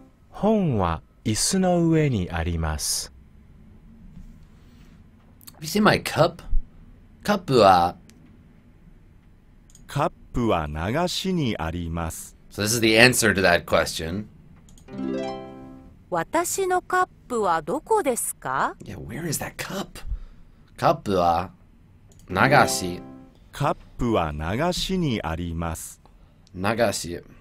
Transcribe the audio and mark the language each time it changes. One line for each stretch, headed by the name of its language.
Japanese: 本は椅子の上にあります。
English: Have you seen my cup?
Japanese: カップは流しにあります。
English: So this is the answer to that question.
Japanese: 私のカップはどこですか？
English: Yeah, where is that cup?
Japanese: カップは流し。カップは流しにあります。流し。